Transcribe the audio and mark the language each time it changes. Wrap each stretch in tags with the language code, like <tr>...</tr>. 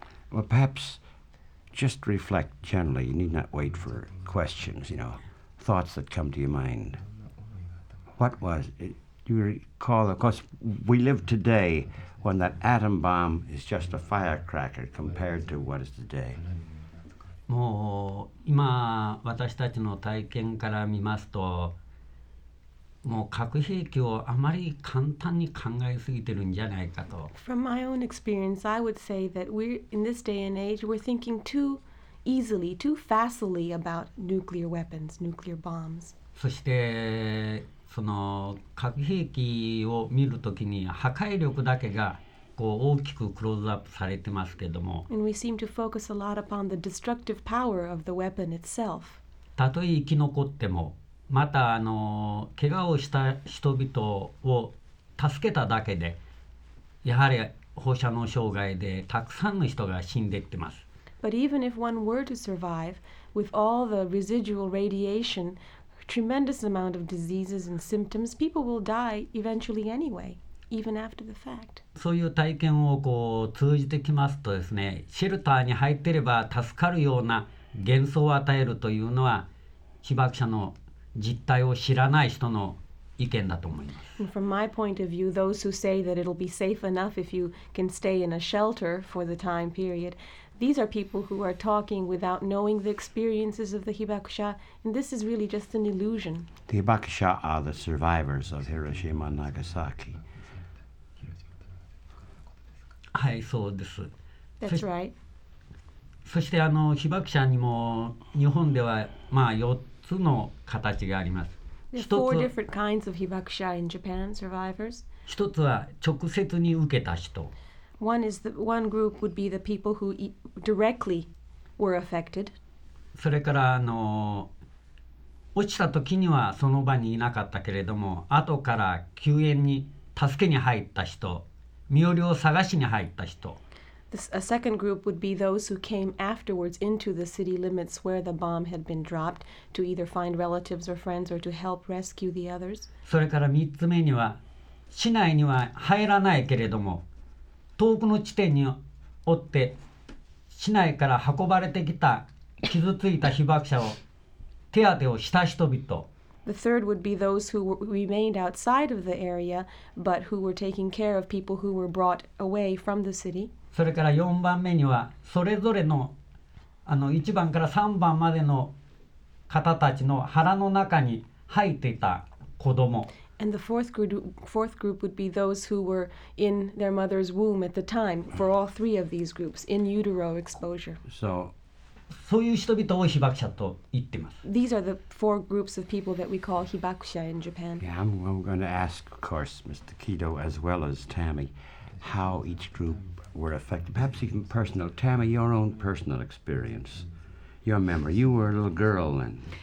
<en>Well, perhaps just reflect generally. You need not wait for questions, you know, thoughts that come to your mind. What was it? Do you recall? Of course, we live today when that atom bomb is just a firecracker compared to what is today.</en> <ja>もう今私たちの体験から見ますと、もう核兵器をあまり簡単に考えすぎてるんじゃないかと。</ja> <en>From my own experience, I would say that we're in this day and age, we're thinking too easily, too facilely about nuclear weapons, nuclear bombs.</en> <ja>そしてその核兵器を見るときに破壊力だけがこう大きくクローズアップされてますけども。</ja> <en>And we seem to focus a lot upon the destructive power of the weapon itself.</en> <ja>たとえ生き残っても、またあの怪我をした人々を助けただけで、やはり放射能障害でたくさんの人が死んでいってます。</ja> <en>But even if one were to survive, with all the residual radiation, tremendous amount of diseases and symptoms, people will die eventually anyway, even after the fact.</en> <ja>そういう体験をこう通じてきますとですね、シェルターに入っていれば助かるような幻想を与えるというのは被爆者の実態を知らない人の意見だと思います。</ja> <en>And from my point of view, those who say that it'll be safe enough if you can stay in a shelter for the time period, these are people who are talking without knowing the experiences of the Hibakusha, and this is really just an illusion. The Hibakusha are the survivors of Hiroshima and Nagasaki.</en> <ja>はい、そうです。</ja> <en>That's right.</en> <ja>そしてあの被爆者にも日本ではまあ4つの形があります。</ja> <en>There are four different kinds of Hibakusha in Japan, survivors.</en> <ja>一つは直接に受けた人。</ja> <en>One is the one group would be the people who directly were affected.</en> <ja>それからあの落ちた時にはその場にいなかったけれども、後から救援に助けに入った人、身寄りを探しに入った人。</ja> <en>A second group would be those who came afterwards into the city limits where the bomb had been dropped to either find relatives or friends or to help rescue the others.</en> <ja>それから三つ目には市内には入らないけれども。遠くの地点におって市内から運ばれてきた傷ついた被爆者を手当てをした人々。</ja> <en>The third would be those who remained outside of the area but who were taking care of people who were brought away from the city.</en> <ja>それから4番目にはそれぞれの、 あの1番から3番までの方たちの腹の中に入っていた子供。</ja> <en>And the fourth group would be those who were in their mother's womb at the time, for all three of these groups, in utero exposure. So,</en> <ja>そういう人々を被爆者と言ってます。</ja> <en>These are the four groups of people that we call hibakusha in Japan. Yeah, I'm going to ask, of course, Mr. Kido as well as Tammy, how each group were affected. Perhaps even personal. Tammy, your own personal experience, your memory. You were a little girl then.</en>